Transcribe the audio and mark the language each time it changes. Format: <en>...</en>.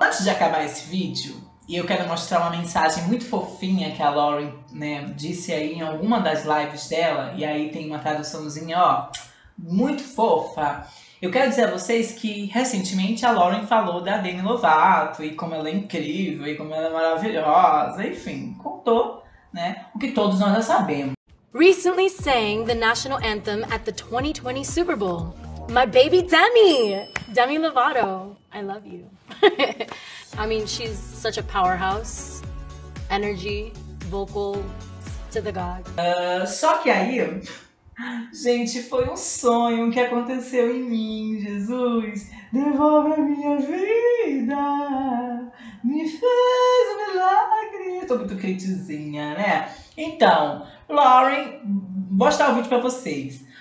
<pt>Antes de acabar esse vídeo, e eu quero mostrar uma mensagem muito fofinha que a Lauren, né, disse aí em alguma das lives dela, e aí tem uma traduçãozinha, ó, muito fofa. Eu quero dizer a vocês que recentemente a Lauren falou da Demi Lovato e como ela é incrível e como ela é maravilhosa, enfim, contou, né, o que todos nós já sabemos.</pt> <en>Recently sang the national anthem at the 2020 Super Bowl. My baby Demi! Demi Lovato, I love you. I mean, she's such a powerhouse. Energy, vocal, to the gods.</en> <pt>Só que aí, gente, foi um sonho que aconteceu em mim, Jesus. Devolve a minha vida, me faz Eu tô muito quentezinha, né? Então, Lauren, vou mostrar o vídeo pra vocês.</pt>